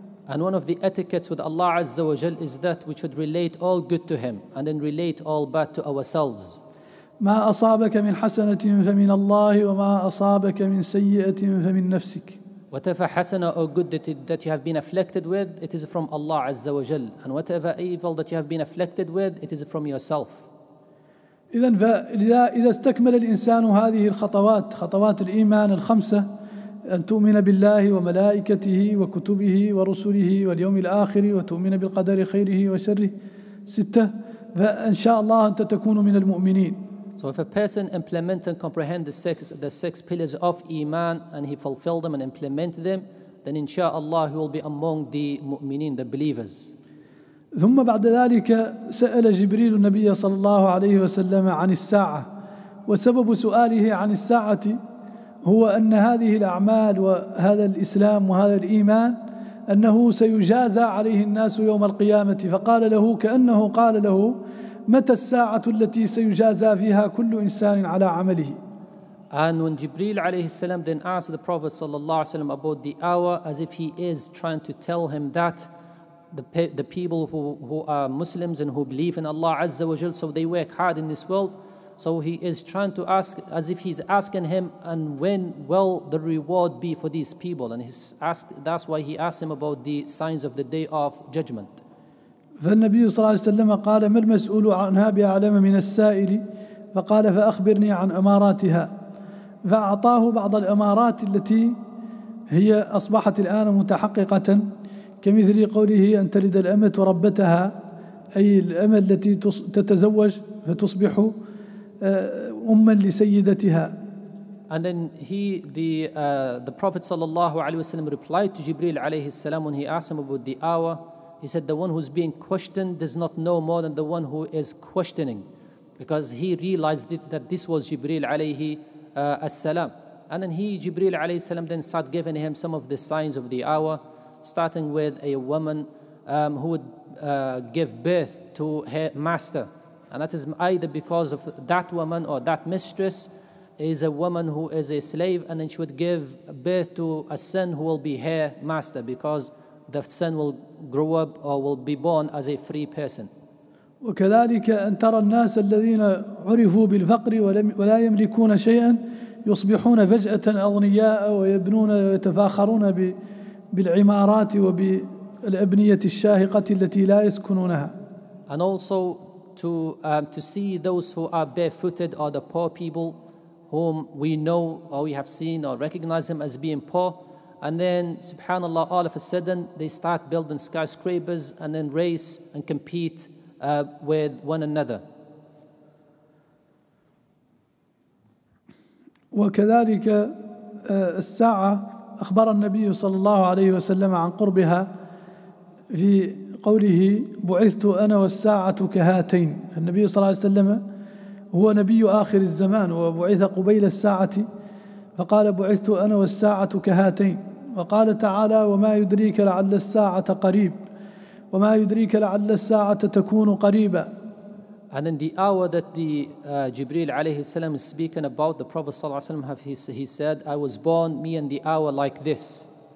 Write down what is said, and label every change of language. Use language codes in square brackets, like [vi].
[en] And one of the etiquettes with Allah Azza wa Jal is that we should relate all good to Him and then relate all bad to ourselves. [ar] ما أصابك من حسنة فمن الله وما أصابك من سيئة فمن نفسك. [en] Whatever حسنة or good that you have been afflicted with, it is from Allah Azza wa Jal. And whatever evil that you have been afflicted with, it is from yourself. [ar] إذن فإذا استكمل الإنسان هذه الخطوات، خطوات الإيمان الخمسة، أن تؤمن بالله وملائكته وكتبه ورسله واليوم الآخر وتؤمن بالقدر خيره وشره ستة، فإن شاء الله أنت تكون من المؤمنين. [en] So if a person implements and comprehends the six pillars of Iman and he fulfills them and implements them, then inshallah he will be among the mu'mineen, the believers. [ar] ثم بعد ذلك سأل جبريل النبي صلى الله عليه وسلم عن الساعة، وسبب سؤاله عن الساعة هو أن هذه الأعمال وهذا الإسلام وهذا الإيمان أنه سيجازى عليه الناس يوم القيامة، فقال له كأنه قال له متى الساعة التي سيجازى فيها كل إنسان على عمله. [en] And when Jibril alayhi salam then asked the Prophet sallallahu alayhi wasallam about the hour, as if he is trying to tell him that the people who are Muslims and who believe in Allah Azza wa Jal, so they work hard in this world, so he is trying to ask, as if he's asking him, and when will the reward be for these people? And he's asked, that's why he asked him about the signs of the day of judgment. [ar] فالنبي صلى الله عليه وسلم قال ما المسؤول عنها بأعلم من السائل؟ فقال فأخبرني عن أماراتها، فأعطاه بعض الأمارات التي هي أصبحت الآن متحققة، كمثل قوله أن تلد الأمة ربتها، أي الأمة التي تتزوج فتصبح أما لسيدتها. [en] And then the Prophet [ar] صلى الله عليه وسلم [en] replied to Jibril [ar] عليه السلام [en] when he asked him about the hour. He said, the one who's being questioned does not know more than the one who is questioning, because he realized that this was Jibril [ar] عليه السلام. [en] And then Jibril [ar] عليه السلام [en] then started giving him some of the signs of the hour, starting with a woman who would give birth to her master. And that is either because of that woman or that mistress is a woman who is a slave, and then she would give birth to a son who will be her master, because the son will grow up or will be born as a free person. [ar] وكذلك أن ترى الناس الذين عرفوا بالفقر ولا يملكون شيئا يصبحون فجأة أغنياء ويبنون ويتفاخرون بالعمارات وبالأبنية الشاهقة التي لا يسكنونها. [en] And also to see those who are barefooted or the poor people whom we know or we have seen or recognize them as being poor, and then subhanallah all of a sudden they start building skyscrapers and then race and compete with one another. [ar] وكذلك الساعة أخبر النبي صلى الله عليه وسلم عن قربها في قوله بعثت أنا والساعة كهاتين. النبي صلى الله عليه وسلم هو نبي آخر الزمان وبعث قبيل الساعة، فقال بعثت أنا والساعة كهاتين. وقال تعالى وما يدريك لعل الساعة قريب، وما يدريك لعل الساعة تكون قريبا. [en] And in the hour that the Jibreel alayhi salam is speaking about, the Prophet sallallahu alayhi wa sallam, he said, I was born me in the hour like this.